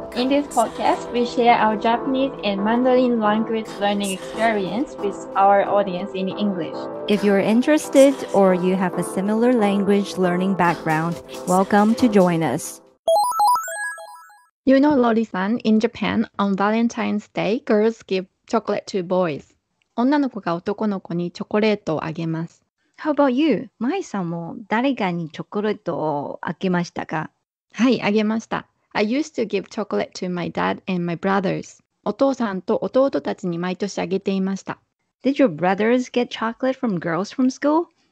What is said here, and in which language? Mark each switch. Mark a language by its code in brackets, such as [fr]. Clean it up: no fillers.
[en] In this podcast, we share our Japanese and Mandarin language learning experience with our audience in English. If you're interested or you have a similar language learning background, welcome to join us. You know, Lori-san, in Japan, on Valentine's Day, girls give chocolate to boys. [ja] 女の子が男の子にチョコレートをあげます。 [en] How about you? [ja] Mai-san も誰かにチョコレートをあげましたか? はい、あげました。 [en] I used to give chocolate to my dad and my brothers. [ja] お父さんと弟たちに毎年あげていました。 [en] Did your brothers get chocolate from girls from school?